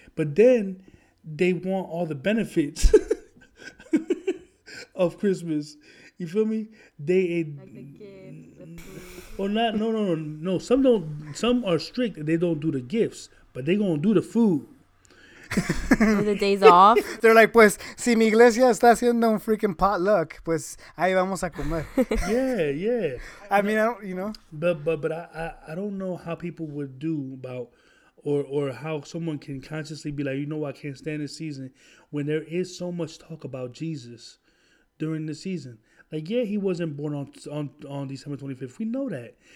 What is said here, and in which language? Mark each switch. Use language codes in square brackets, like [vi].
[en] But then they want all the benefits of Christmas. You feel me? They like the kids. Or not? No. Some don't. Some are strict. They don't do the gifts, but they gonna do the food. The days off. They're like, [es] pues, si mi iglesia está haciendo un freaking potluck, pues ahí vamos a comer. [en] Yeah. I mean, I don't, you know. But I don't know how people would do about or how someone can consciously be like, you know, I can't stand this season when there is so much talk about Jesus during the season. Like, yeah, he wasn't born on December 25th. We know that.